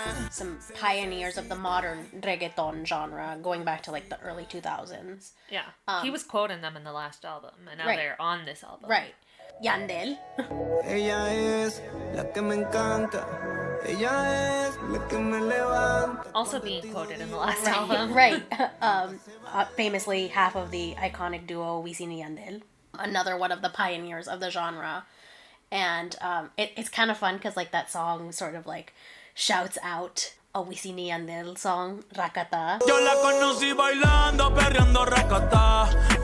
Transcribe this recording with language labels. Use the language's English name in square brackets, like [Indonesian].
[English] Some pioneers of the modern reggaeton genre, going back to, like, the early 2000s. Yeah. He was quoting them in the last album, and now they're on this album. Right. Yandel. [Spanish] Ella es la que me encanta. Ella es la que me levanta. [English] Also being quoted in the last album. Right. Famously, half of the iconic duo Wisin y Yandel. Another one of the pioneers of the genre. And it's kind of fun because, like, that song sort of, like, shouts out a Wisin y Yandel song, Rakata. [Spanish] Yo la conocí bailando, perreando Rakata.